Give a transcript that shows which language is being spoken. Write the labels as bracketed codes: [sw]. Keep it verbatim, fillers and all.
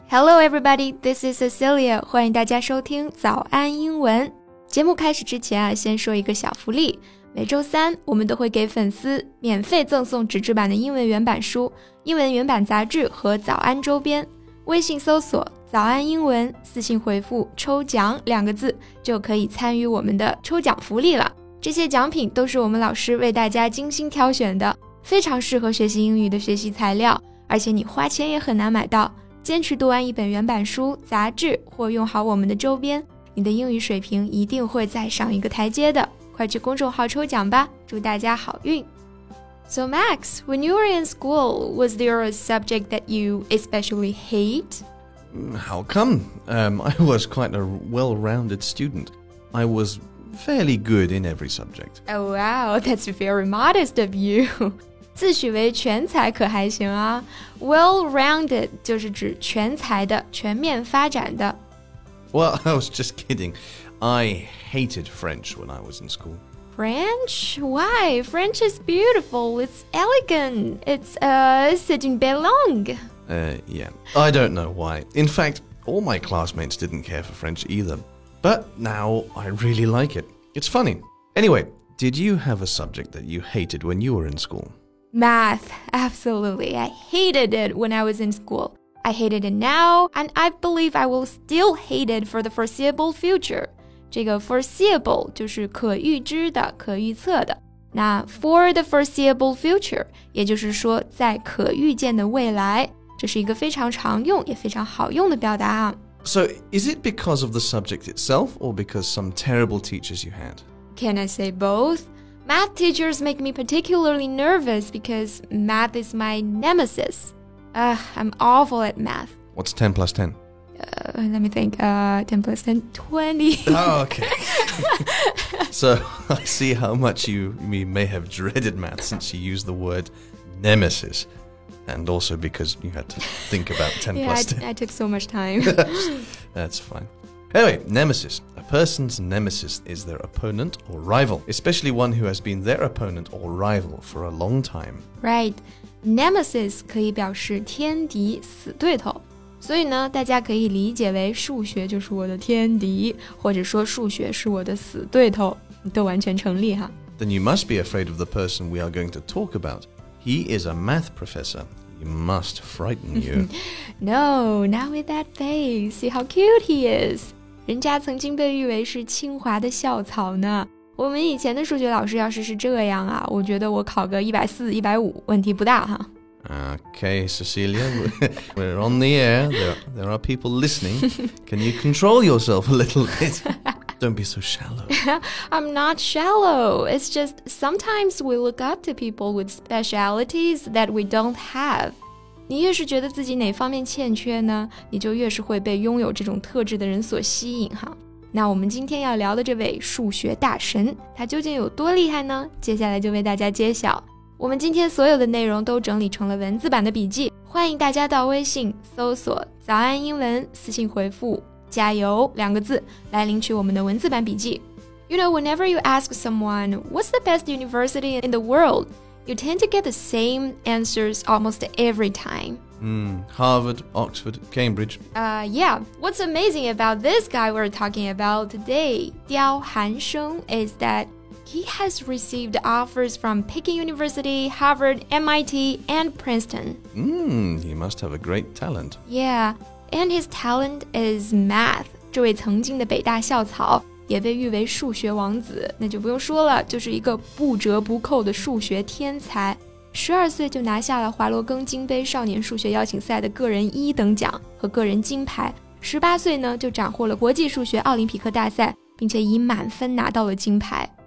[en] Hello everybody, this is Cecilia. [zh] 欢迎大家收听早安英文。节目开始之前啊，先说一个小福利。每周三我们都会给粉丝免费赠送纸质版的英文原版书、英文原版杂志和早安周边。微信搜索早安英文，私信回复抽奖两个字，就可以参与我们的抽奖福利了。这些奖品都是我们老师为大家精心挑选的。非常适合学习英语的学习材料，而且你花钱也很难买到。坚持读完一本原版书、杂志，或用好我们的周边，你的英语水平一定会再上一个台阶的。快去公众号抽奖吧，祝大家好运。 [en] So Max, when you were in school, was there a subject that you especially hate? How come? Um, I was quite a well-rounded student. I was fairly good in every subject. Oh wow, that's very modest of you. [zh] 自诩为全才可还行啊 Well-rounded 就是指全才的全面发展的 [en] Well, I was just kidding. I hated French when I was in school. French? Why? French is beautiful. It's elegant. [fr] It's, uh, c'est une belle langue. [en] Uh, yeah. I don't know why. In fact, all my classmates didn't care for French either. But now I really like it. It's funny. Anyway, did you have a subject that you hated when you were in school? Math, absolutely. I hated it when I was in school. I hated it now, and I believe I will still hate it for the foreseeable future. [zh] 这个 foreseeable 就是可预知的、可预测的。那 [en] for the foreseeable future, [zh] 也就是说在可预见的未来。这是一个非常常用也非常好用的表达啊。 [en] So, is it because of the subject itself, or because some terrible teachers you had? Can I say both? Math teachers make me particularly nervous because math is my nemesis. Ugh, I'm awful at math. What's ten plus ten? Uh, let me think. Uh, ten plus ten, twenty. Oh, okay. So I see how much you, you may have dreaded math since you used the word nemesis. And also because you had to think about ten yeah, plus ten. I, I took so much time. That's fine. Anyway, nemesis. A person's nemesis is their opponent or rival, especially one who has been their opponent or rival for a long time. Right. [zh] Nemesis 可以表示天敌、死对头。所以呢，大家可以理解为数学就是我的天敌，或者说数学是我的死对头，都完全成立哈。 [en] Then you must be afraid of the person we are going to talk about. He is a math professor. You must frighten you. No, not with that face. See how cute he is. [zh] 人家曾经被誉为是清华的校草呢。我们以前的数学老师要是是这样啊，我觉得我考个一百四十、一百五十问题不大哈。 [en] Okay, Cecilia, we're on the air. There, there are people listening. Can you control yourself a little bit? Don't be so shallow. I'm not shallow. It's just sometimes we look up to people with specialities that we don't have. [zh] 你越是觉得自己哪方面欠缺呢，你就越是会被拥有这种特质的人所吸引哈。那我们今天要聊的这位数学大神，他究竟有多厉害呢？接下来就为大家揭晓。我们今天所有的内容都整理成了文字版的笔记，欢迎大家到微信搜索早安英文，私信回复加油两个字来领取我们的文字版笔记。 [en] You know, whenever you ask someone, what's the best university in the world? You tend to get the same answers almost every time. Mm, Harvard, Oxford, Cambridge. Uh, yeah, what's amazing about this guy we're talking about today, Diao Hansheng, is that he has received offers from Peking University, Harvard, M I T, and Princeton. Mm, he must have a great talent. Yeah, and his talent is math. [zh] 这位曾经的北大校草也被誉为数学王子，那就不用说了，就是一个不折不扣的数学天才。十二岁就拿下了华罗庚金杯少年数学邀请赛的个人一等奖和个人金牌。十八岁呢，就斩获了国际数学奥林匹克大赛，并且以满分拿到了金牌。